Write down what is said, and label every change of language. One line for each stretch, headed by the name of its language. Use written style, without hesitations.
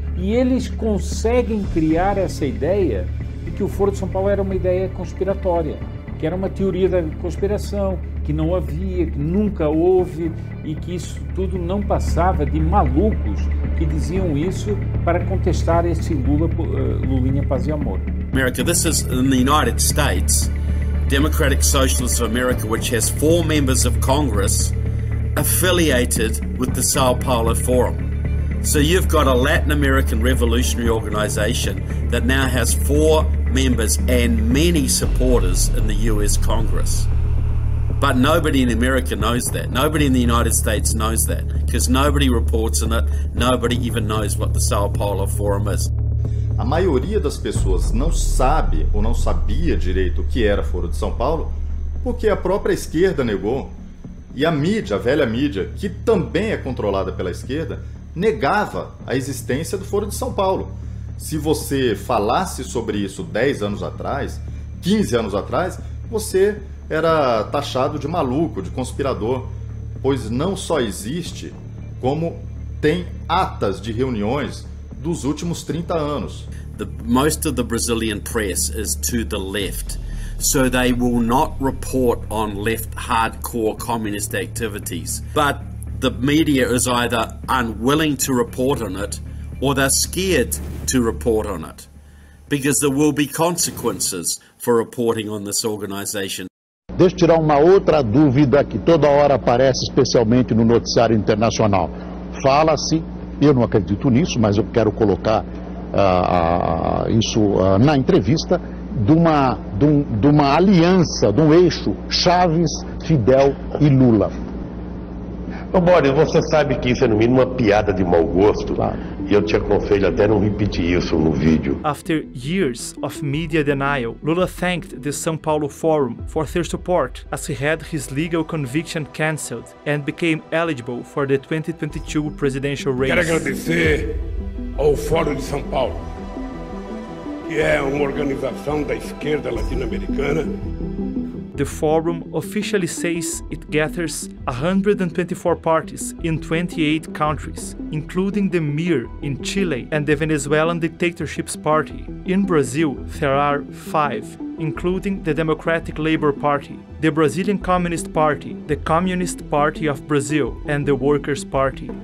Portuguese: E eles conseguem criar essa ideia de que o Foro de São Paulo era uma ideia conspiratória, que era uma teoria da conspiração, que não havia, que nunca houve, e que isso tudo não passava de malucos que diziam isso para contestar esse Lula, Lulinha Paz e Amor.
English: America, this is in the United States. Democratic Socialists of America, which has four members of Congress affiliated with the Sao Paulo Forum. So you've got a Latin American revolutionary organization that now has four members and many supporters in the US Congress. But nobody in America knows that. Nobody in the United States knows that because nobody reports on it. Nobody even knows what the Sao Paulo Forum is.
Portuguese: A maioria das pessoas não sabe ou não sabia direito o que era Foro de São Paulo porque a própria esquerda negou. E a mídia, a velha mídia, que também é controlada pela esquerda, negava a existência do Foro de São Paulo. Se você falasse sobre isso 10 anos atrás, 15 anos atrás, você era taxado de maluco, de conspirador, pois não só existe, como tem atas de reuniões dos últimos 30 anos.
English: Most of the Brazilian press is to the left, so they will not report on left hardcore communist activities. But the media is either unwilling to report on it or they're scared to report on it because there will be consequences for reporting on this organization.
Portuguese: Deixa eu tirar uma outra dúvida que toda hora aparece, especialmente no noticiário internacional. Fala-se, eu não acredito nisso, mas eu quero colocar isso na entrevista, de uma aliança, de um eixo Chávez, Fidel e Lula. Ô Boris, você sabe que isso é no mínimo uma piada de mau gosto. E eu te aconselho até não repetir isso no vídeo.
English: After years of media denial, Lula thanked the São Paulo Forum for their support as he had his legal conviction cancelled and became eligible for the 2022 presidential race.
Portuguese: Quero agradecer ao Fórum de São Paulo, que é uma organização da esquerda latino-americana.
English: The forum officially says it gathers 124 parties in 28 countries, including the MIR in Chile and the Venezuelan Dictatorship's party. In Brazil, there are 5, including the Democratic Labor Party, the Brazilian Communist Party, the Communist Party of Brazil, and the Workers' Party.